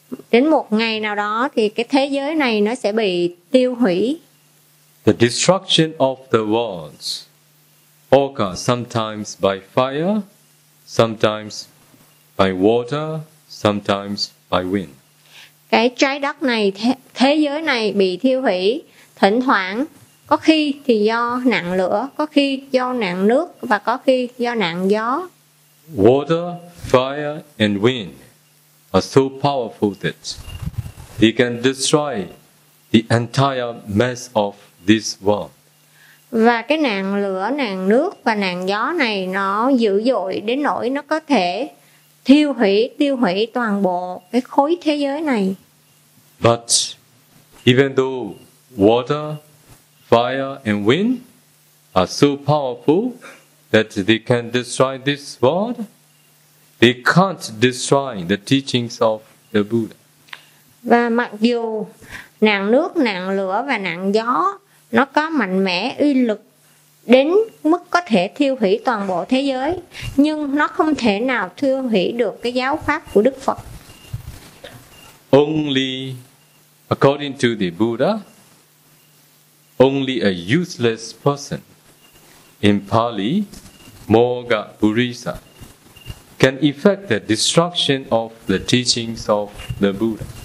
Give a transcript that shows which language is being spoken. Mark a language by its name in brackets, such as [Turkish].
[Vietnamese] Đến một ngày nào đó thì cái thế giới này nó sẽ bị tiêu hủy. [English] The destruction of the world occurs sometimes by fire, sometimes by water, sometimes by wind. [Vietnamese] Cái trái đất này, thế giới này bị tiêu hủy thỉnh thoảng, có khi thì do nạn lửa, có khi do nạn nước và có khi do nạn gió. [English] Water, fire and wind are so powerful that they can destroy the entire mass of this world. [Vietnamese] Và cái nạn lửa, nạn nước và nạn gió này nó dữ dội đến nỗi nó có thể tiêu hủy toàn bộ cái khối thế giới này. [English] But even though water, fire and wind are so powerful that they can destroy this world, they can't destroy the teachings of the Buddha. [Vietnamese] Và mặc dù nạn nước, nạn lửa và nạn gió nó có mạnh mẽ uy lực đến mức có thể thiêu hủy toàn bộ thế giới, nhưng nó không thể nào thiêu hủy được cái giáo pháp của Đức Phật. [English] Only according to the Buddha, only a useless person, in Pali, Moga Purisa, can effect the destruction of the teachings of the Buddha.